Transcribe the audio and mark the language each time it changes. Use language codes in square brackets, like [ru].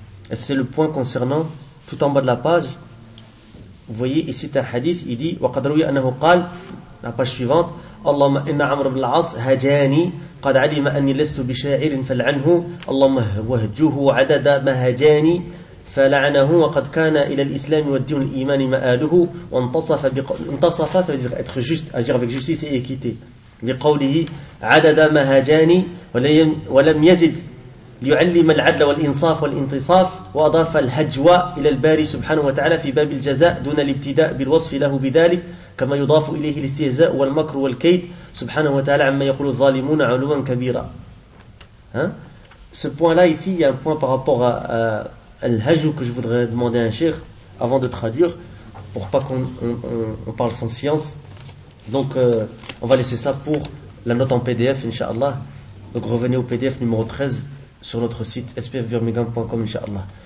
[fr] Et c'est le point concernant, tout en bas de la page, vous voyez ici un hadith, il dit [ar] « وَقَدْ رُوِيَ أَنَّهُ قَالْ » La page suivante, اللهم إن عمر بن العاص هجاني قد علم أني لست بشاعر فلعنه اللهم وهجوه عدد ما هجاني فلعنه وقد كان إلى الإسلام والدين الإيمان مآله وانتصف انتصف [fr] ça veut dire être juste, agir avec justice et équité. [ar] بقوله عدد ما هجاني ولم يزد ليعلم العدل والإنصاف والانتصاف وأضاف الهجوة إلى الباري سبحانه وتعالى في باب الجزاء دون الابتداء بالوصف له بذلك كما يضاف إليه الاستهزاء والمكر والكيد سبحانه وتعالى عما يقول الظالمون علوا كبيرا. [fr] Ce point là ici, il y a un point par rapport à l'hajou que je voudrais demander à un cheikh avant de traduire pour pas qu'on parle sans science. Donc on va laisser ça pour la note en PDF inshallah. Donc revenez au PDF numéro 13 sur notre site spfbirmingham.com inshallah.